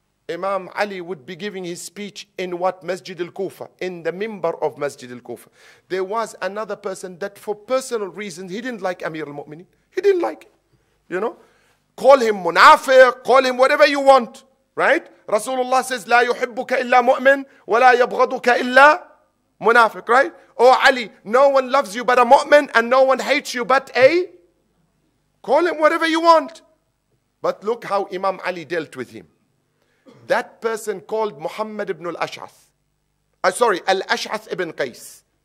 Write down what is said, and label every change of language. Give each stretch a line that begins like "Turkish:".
English: Imam Ali would be giving his speech in what? Masjid al-Kufa. In the minbar of Masjid al-Kufa. There was another person that for personal reasons, he didn't like Amir al-Mu'mineen. He didn't like him. You know? Call him munafiq. Call him whatever you want. Right? Rasulullah says,
Arabic: لا يحبك إلا مؤمن ولا يبغضك إلا منافق.
English: Right? Oh Ali, no one loves you but a mu'min and no one hates you but a... Call him whatever you want. But look how Imam Ali dealt with him. That person called Muhammad ibn al-Ash'ath. Al-Ash'ath ibn Qais.